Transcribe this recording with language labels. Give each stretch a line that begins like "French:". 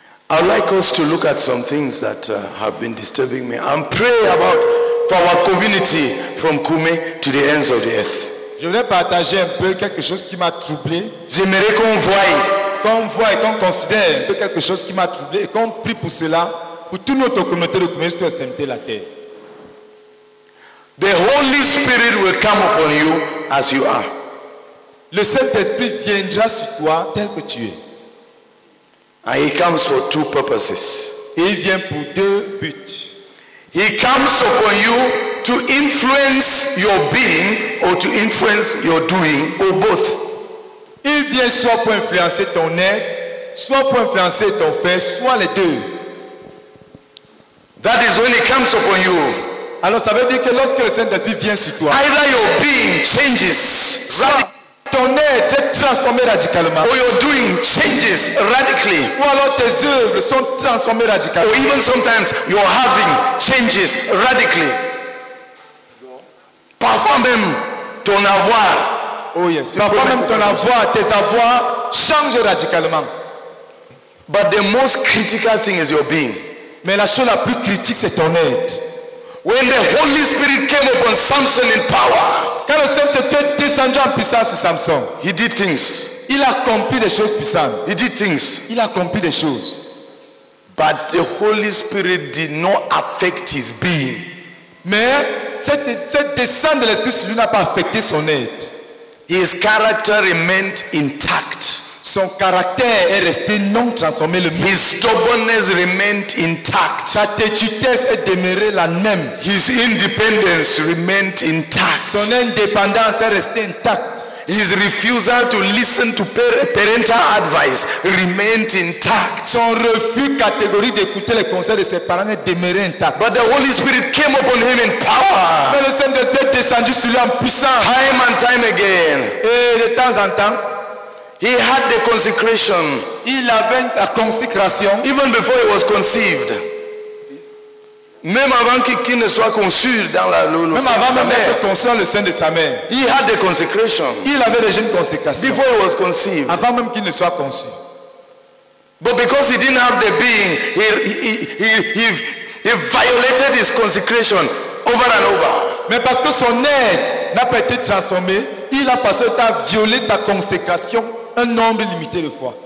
English: I'd like us to look at some things that have been disturbing me and pray about for our community from Kume to the ends of the earth.
French: Je voudrais partager un peu quelque chose qui m'a troublé. J'aimerais qu'on voie, qu'on considère un peu quelque chose qui m'a troublé et qu'on prie pour cela, pour toute notre communauté de Kume, jusqu'à l'extrémité de la terre.
English: The Holy Spirit will come upon you as you are.
French: Le Saint-Esprit viendra sur toi tel que tu es.
English: And he comes for two purposes.
French: Il vient pour deux buts.
English: He comes upon you to influence your being or to influence your doing or both.
French: Il vient soit pour influencer ton être, soit pour influencer ton faire, soit les deux.
English: That is when he comes upon you.
French: Alors ça veut dire que lorsque le Saint-Esprit vient sur toi,
English: either your being changes,
French: ton être est transformé radicalement,
English: or your doing changes radically,
French: ou alors tes œuvres sont transformées radicalement,
English: or even sometimes your having changes radically.
French: Parfois même ton avoir,
English: oh yes,
French: parfois même ton avoir, tes avoirs changent radicalement.
English: But the most critical thing is your being.
French: Mais la chose la plus critique, c'est ton être.
English: When the Holy Spirit came upon Samson in power,
French: quand le Saint-Esprit descendit en puissance sur Samson,
English: he did things.
French: Il accomplit des choses puissantes.
English: He did things.
French: Il accomplit des choses.
English: But the Holy Spirit did not affect his being.
French: Mais cette descente de l'Esprit sur lui n'a pas affecté son être.
English: His character remained intact.
French: Son caractère est resté non transformé le même.
English: His stubbornness remained intact.
French: Sa têtuesse est demeurée la même.
English: His independence remained intact.
French: Son indépendance est restée intacte.
English: His refusal to listen to parental advice remained intact.
French: Son refus catégorique d'écouter les conseils de ses parents demeurait intact.
English: But the Holy Spirit came upon him in power.
French: Mais le Saint-Esprit descendu sur lui en puissance.
English: Time and time again.
French: Et de temps en temps,
English: he had the consecration.
French: Il avait la consécration.
English: Even before he was conceived.
French: Même avant qu'il ne soit conçu dans la loi, même avant même d'être conçu dans le sein de sa mère,
English: he had the consecration.
French: Il avait déjà une consécration.
English: Before he was conceived.
French: Avant même qu'il ne soit conçu.
English: But because he didn't have the being, he violated his consecration over and over.
French: Mais parce que son être n'a pas été transformé, il a passé le temps à violer sa consécration un nombre limité de fois.